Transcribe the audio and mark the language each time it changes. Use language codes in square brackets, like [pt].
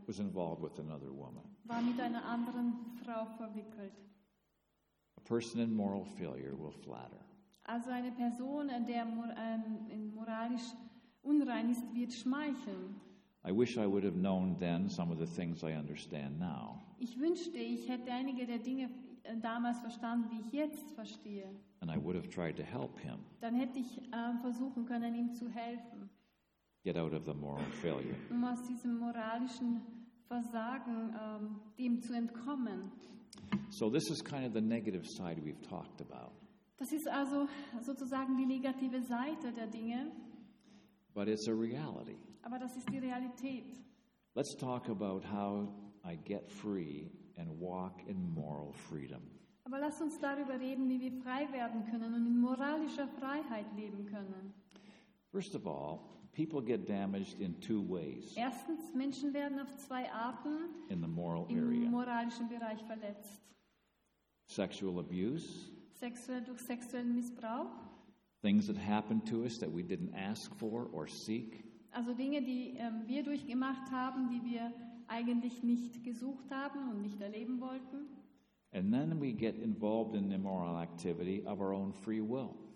[en] was involved with another woman, [de] war mit einer anderen Frau verwickelt. [en] A person in moral failure will flatter. [de] Also eine Person, der moralisch unrein ist, wird schmeicheln. [en] I wish I would have known then some of the things I understand now. [de] Ich wünschte, ich hätte einige der Dinge damals verstanden, wie ich jetzt verstehe. [en] And I would have tried to help him. [de] Dann hätte ich versuchen können, ihm zu helfen. [en] Get out of the moral failure. [de] Um aus diesem moralischen Versagen dem zu entkommen. [en] So this is kind of the negative side we've talked about. [de] Das ist also sozusagen die negative Seite der Dinge. [en] But it's a reality. [de] Aber das ist die Realität. [en] Let's talk about how I get free and walk in moral freedom. [de] Aber lass uns darüber reden, wie wir frei werden können und in moralischer Freiheit leben können. [en] First of all, people get damaged in two ways. [de] Erstens, Menschen werden auf zwei Arten [en] in the moral [de] im [en] area. [de] Moralischen Bereich verletzt. [en] Sexual abuse. [de] Sexuell durch sexuellen Missbrauch. [en] Things that happen to us that we didn't ask for or seek. [de] Also Dinge, die wir durchgemacht haben, die wir eigentlich nicht gesucht haben und nicht erleben wollten. [en] And then we get involved in the immoral activity of our own free will.